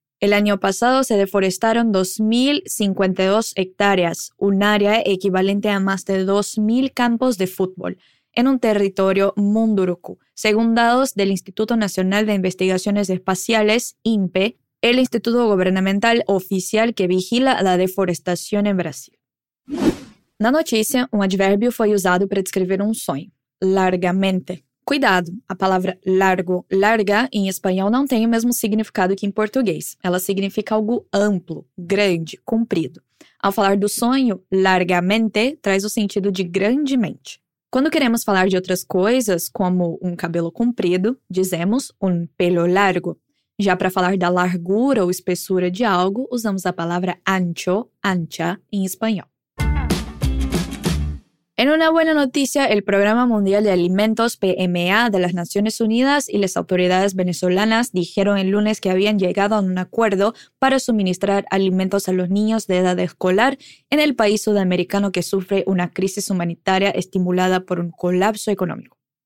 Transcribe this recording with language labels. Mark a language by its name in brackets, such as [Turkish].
[Spanish] El año pasado se deforestaron 2.052 hectáreas, un área equivalente a más de 2.000 campos de fútbol. en un territorio Munduruku. Según datos del Instituto Nacional de Investigaciones Espaciales, INPE, el instituto gubernamental oficial que vigila la deforestación en Brasil. [Portuguese] Na notícia, advérbio foi usado para descrever sonho. Largamente. Cuidado, a palavra largo, larga, em espanhol não tem o mesmo significado que em português. Ela significa algo amplo, grande, comprido. Ao falar do sonho, largamente traz o sentido de grandemente. Quando queremos falar de outras coisas, como cabelo comprido, dizemos pelo largo. Já para falar da largura ou espessura de algo, usamos a palavra ancho, ancha, em espanhol. [Spanish] En una buena noticia, el Programa Mundial de Alimentos, PMA, de las Naciones Unidas y las autoridades venezolanas dijeron el lunes que habían llegado a un acuerdo para suministrar alimentos a los niños de edad escolar en el país sudamericano que sufre una crisis humanitaria estimulada por un colapso económico.